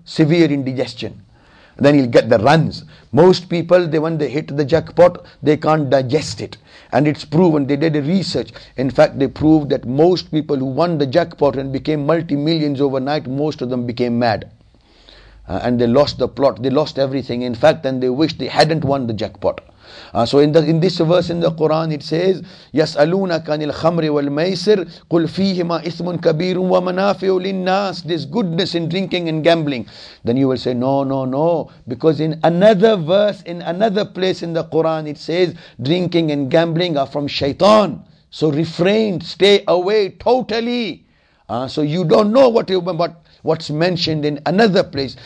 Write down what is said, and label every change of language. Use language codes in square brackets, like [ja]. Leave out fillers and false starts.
[en] Severe indigestion. Then he'll get the runs. Most people, when they hit the jackpot, they can't digest it. And it's proven, they did a research. In fact, they proved that most people who won the jackpot and became multi-millions overnight, most of them became mad. And they lost the plot, they lost everything. In fact, then they wished they hadn't won the jackpot. So in this verse in the Quran, it says, [ar] يَسْأَلُونَكَ عَنِ الْخَمْرِ وَالْمَيْسِرِ قُلْ فِيهِمَا إِثْمٌ كَبِيرٌ وَمَنَافِعُ لِلنَّاسِ. [en] There's goodness in drinking and gambling. Then you will say, no. Because in another verse, in another place in the Quran, it says, drinking and gambling are from shaitan. So refrain, stay away totally. So you don't know what's mentioned in another place.